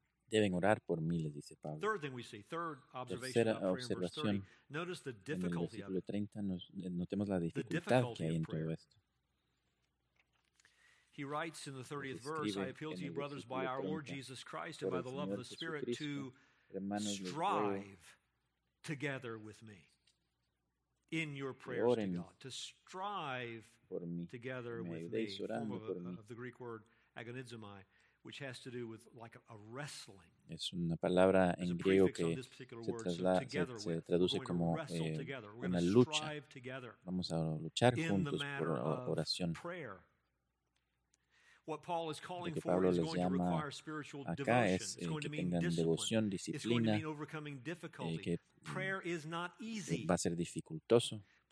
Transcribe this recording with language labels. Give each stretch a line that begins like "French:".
Spanish: Deben orar por mí, les dice Pablo. Tercera observación, en el versículo 30, notemos la dificultad que hay en todo esto.
English: He writes in the 30th verse, I appeal to you, brothers, by our Lord Jesus Christ and by the love of the Spirit, to strive together with me in your prayers to God. To strive together with me, form of the Greek word agonizomai, which has to do with like a wrestling.
Spanish: Es una palabra en griego que se traduce como una lucha. Vamos a luchar juntos por oración. Lo que Pablo les llama acá es que tengan devoción, disciplina, que va a ser dificultoso.